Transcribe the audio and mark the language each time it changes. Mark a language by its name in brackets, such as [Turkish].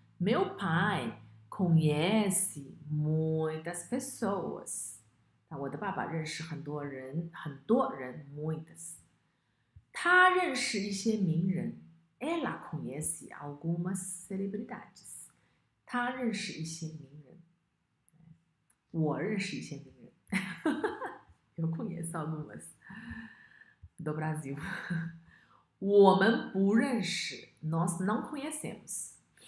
[Portuguese] Meu pai conhece muitas pessoas. [Chinese] 我的爸爸认识很多人, muitas. 他认识一些名人. [Portuguese] Ela conhece algumas celebridades. [Chinese] 他认识一些名人.我认识一些名人. [Portuguese] Eu conheço algumas do Brasil. [Chinese] 我们不认识, [Portuguese] nós não conhecemos.